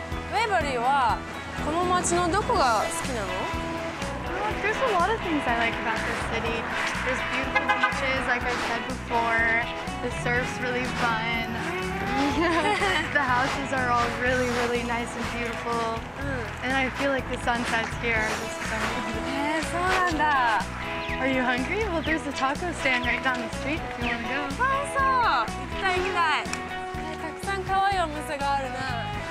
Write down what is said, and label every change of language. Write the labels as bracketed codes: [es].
[ja] この町のどこが好きなの? [en] There's a lot of things I like about this city. There's beautiful beaches, like I said before. The surf's really fun. The houses are all really, really nice and beautiful. And I feel like the sunsets here are just so beautiful. [ja] そうなんだ。 [en] Are you hungry? Well, there's a taco stand right down the street if you want to go. [ja] そうそう。行きたい行きたい。たくさん可愛いお店があるな。